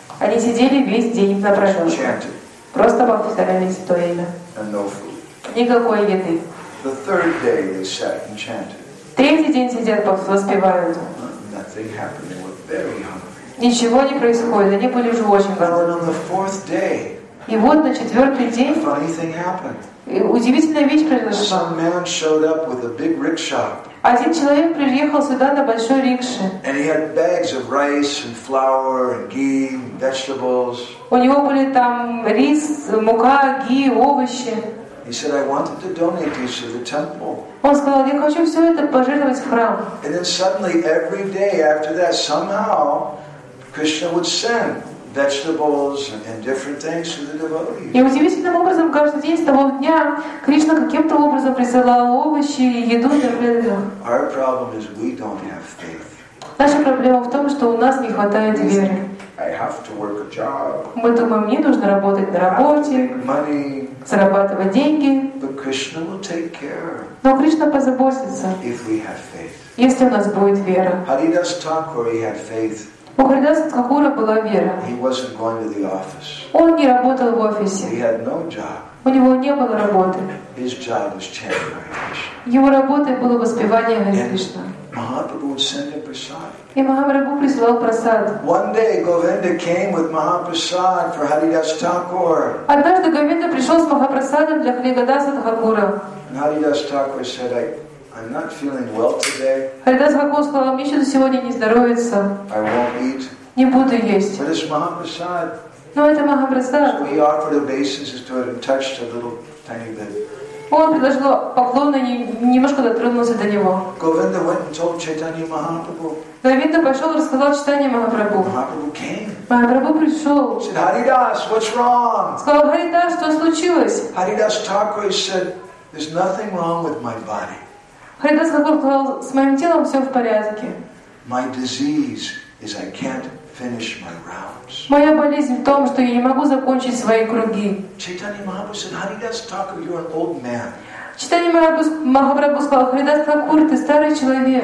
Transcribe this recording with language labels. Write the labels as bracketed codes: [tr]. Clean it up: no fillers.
[ru] Они сидели весь день напролет. [en] Chanted. [ru] Просто повторялись то имя. [en] And no food. [ru] Никакой еды. [en] The third day they sat and chanted. [ru] Третий день сидят, воспевают. [en] Nothing happened. They were very hungry. [ru] Ничего не происходит. Они были уже очень голодны. [en] And on the fourth day. [ru] И вот на четвертый день. [en] A funny thing happened. [ru] Удивительная вещь произошла. [en] Some man showed up with a big rickshaw. [ru] Один человек приехал сюда на большой рикше. [en] And he had bags of rice and flour and ghee and vegetables. [ru] У него были там рис, мука, ги, овощи. [en] He said, "I wanted to donate these to the temple." [ru] Он сказал, я хочу все это пожертвовать в храм. [en] And then suddenly, every day after that, somehow Krishna would send vegetables and different things to the devotees. [ru] И удивительным образом каждый день с того дня Кришна каким-то образом присылал овощи и еду для преданных. [en] Our problem is we don't have faith. [ru] Наша проблема в том, что у нас не хватает веры. [en] I have to work a job. [ru] Мы думаем, мне нужно работать на работе, [en] money, [ru] зарабатывать деньги. [en] But Krishna will take care. [ru] Но Кришна позаботится, [en] if we have faith. [ru] Если у нас будет вера. [en] Haridas Thakur, he had faith. [ru] У Харидаса Тхакура была вера. [en] He wasn't going to the office. [ru] Он не работал в офисе. [en] He had no job. [ru] У него не было работы. [en] His job was chanting Hare Krishna. [ru] Его работой было воспевание Hare Krishna. [en] Mahaprabhu sent him prasad. [ru] И Махапрабху прислал прасад. [en] One day Govinda came with Mahaprasad for Haridas Thakur. [ru] Однажды Говинда пришел с Махапрасадом для Харидаса Тхакура. [en] And Haridas Thakur said, I'm not feeling well today. [ru] Харидас Тхакур сказал, мне что-то сегодня не здоровится. [en] I won't eat. [ru] Не буду есть. [en] But it's Mahaprasad. [ru] Но это Махапрасад. [en] So he offered obeisances to it and touched a little tiny bit. [ru] Он предложил поклон и немножко дотронулся до него. [en] Говинда went and told Chaitanya Mahaprabhu. [ru] Говинда пошел и рассказал Чайтанье Махапрабху. [en] Махапрабху came. [ru] Махапрабху пришел. [en] Said, Haridas, what's wrong? [ru] Сказал, Харидас, что случилось? [en] Haridas Thakur said, there's nothing wrong with my body. [ru] Харидас Тхакур сказал, с моим телом все в порядке. [en] My disease is I can't finish my rounds. [ru] Моя болезнь в том, что я не могу закончить свои круги. [en] Chaitanya Mahaprabhu said, Haridas Thakur, you're an old man. [ru] Читание Махапрабху сказал, Харидас Тхакур, ты старый человек.